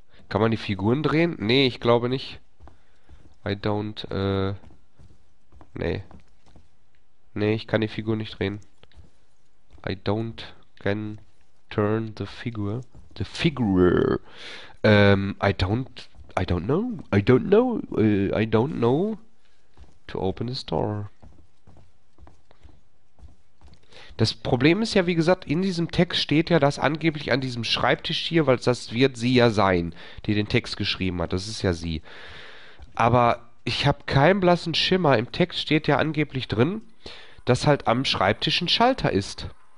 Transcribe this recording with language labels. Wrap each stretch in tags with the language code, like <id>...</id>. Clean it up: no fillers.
<de>Kann man die Figuren drehen? Nee, ich glaube nicht.</de> <en>I don't,</en> <de>nee. Nee, ich kann die Figur nicht drehen.</de> <en>I don't can turn the figure. The figure. I don't know. I don't know. I don't know to open this door.</en> <de>Das Problem ist ja, wie gesagt, in diesem Text steht ja, dass angeblich an diesem Schreibtisch hier, weil das wird sie ja sein, die den Text geschrieben hat. Das ist ja sie. Aber ich habe keinen blassen Schimmer. Im Text steht ja angeblich drin, dass halt am Schreibtisch ein Schalter ist.</de>